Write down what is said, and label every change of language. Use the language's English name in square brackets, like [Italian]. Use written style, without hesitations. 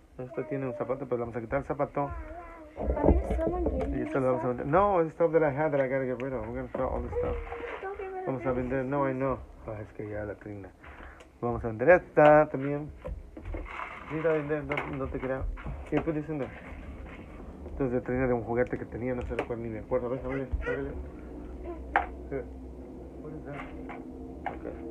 [Spanish] Esta tiene un zapato, pero vamos a quitar el zapato. Y esta lo vamos a vender. [English] No, it's stuff that I had that I gotta get rid of. We're gonna throw all this stuff. [Spanish] Vamos a vender. [English] No, I know. [Spanish] Ah, es que ya la Trina. Vamos a vender esta también. Mira, no te creo. ¿Qué estoy diciendo? Esto es de Trina, de un juguete que tenía, no sé de cuál ni me acuerdo. A ver. ¿Qué? ¿Qué es eso? Ok.